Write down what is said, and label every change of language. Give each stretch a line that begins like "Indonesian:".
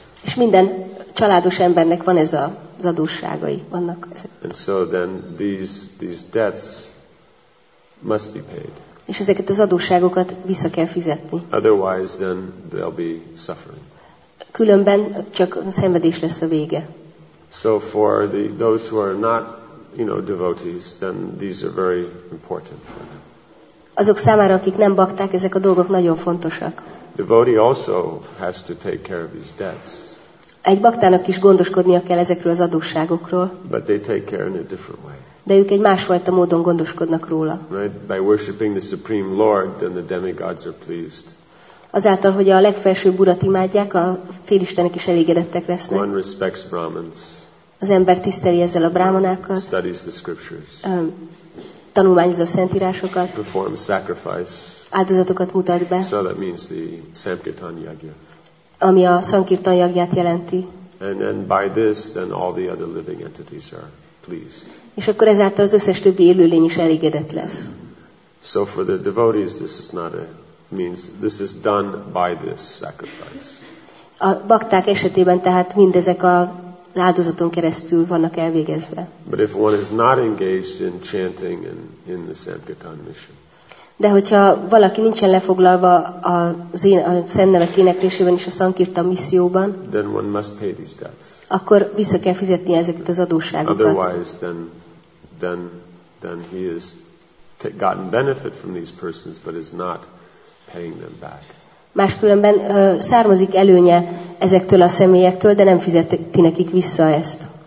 Hungarian: És minden családos embernek van ez az adósságai, vannak ezek.
English: And so then these debts must be paid.
Hungarian: És ezeket az adósságokat vissza kell fizetni.
English: Otherwise then there'll be suffering.
Hungarian: Különben csak szenvedés lesz a vége.
English: So for the those who are not, you know, devotees, then these are very important for them.
Hungarian: Azok számára, akik nem bakták, ezek a dolgok nagyon fontosak.
English: Devotee also has to take care of his debts.
Hungarian: Egy baktának is gondoskodnia kell ezekről az adósságokról.
English: But they take care in a different way.
Hungarian: De ők egy másfajta módon gondoskodnak róla.
English: Right? By worshiping the Supreme Lord, then the demigods are pleased.
Hungarian: Azáltal, hogy a legfelsőbb urat imádják, a félistenek is elégedettek lesznek.
English: One respects Brahmins.
Hungarian: Az ember tiszteli ezzel a brámanákat.
English: Studies the scriptures.
Hungarian: Tanulmányozza a szentírásokat.
English: Performs sacrifice.
Hungarian: Áldozatokat mutat be.
English: So that means the Sankirtan Yagya.
Hungarian: Ami a Sankirtan Yagyát jelenti.
English: And then by this, then all the other living entities are pleased.
Hungarian: És akkor ezáltal az összes többi élőlény is elégedett lesz.
English: So for the devotees, this is not a means. This is done by this sacrifice.
Hungarian: A bakták esetében tehát mindezek az áldozaton keresztül vannak elvégezve.
English: But if one is not engaged in chanting and in the Sankirtan mission.
Hungarian: De hogyha valaki nincsen lefoglalva a szentnevek éneklésében és a Sankirtan misszióban,
English: then one must pay these debts.
Hungarian: Akkor vissza kell fizetni ezeket az adósságokat.
English: Otherwise, then he has gotten benefit from these persons, but is not paying them back.
Hungarian: Máskülönben származik előnye ezektől a személyektől, de nem fizeti nekik vissza ezt.